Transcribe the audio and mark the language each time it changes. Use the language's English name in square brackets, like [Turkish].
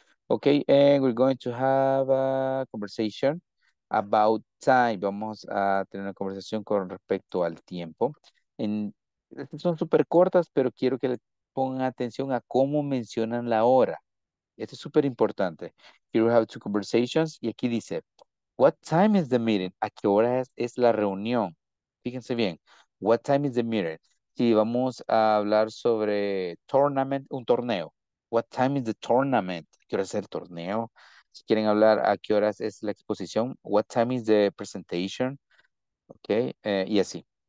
[English] Okay, and we're going to have a conversation about time. [Spanish] Vamos a tener una conversación con respecto al tiempo. Estas son súper cortas, pero quiero que le pongan atención a cómo mencionan la hora. Este es súper importante. [English] Here we have two conversations. [Spanish] Y aquí dice, [English] what time is the meeting? [Spanish] ¿A qué hora es la reunión? Fíjense bien. [English] What time is the meeting? [Spanish] Si vamos a hablar sobre tournament, un torneo. [English] What time is the tournament? [Spanish] ¿A qué hora es el torneo? Si quieren hablar, ¿a qué horas es la exposición? [English] What time is the presentation? Ok, [Spanish] y así.